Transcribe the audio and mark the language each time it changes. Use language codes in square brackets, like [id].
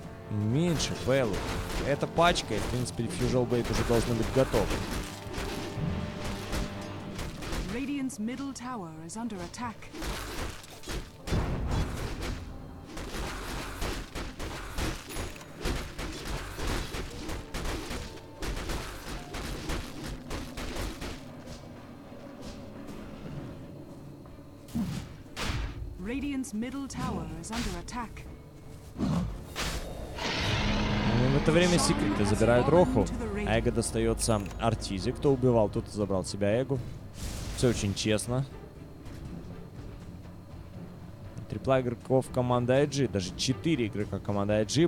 [ru] Меньше, Беллу. Это пачка, и в принципе Fusion Blade уже должен быть готов. [en] Radiant's middle tower is under attack. Radiant's middle tower is under attack. [ru] В это время секреты забирают Роху, а Эго достается Артизе. Кто убивал, тот забрал себя Эго. Все очень честно. Трипла игроков команды IG. Даже 4 игрока команды IG.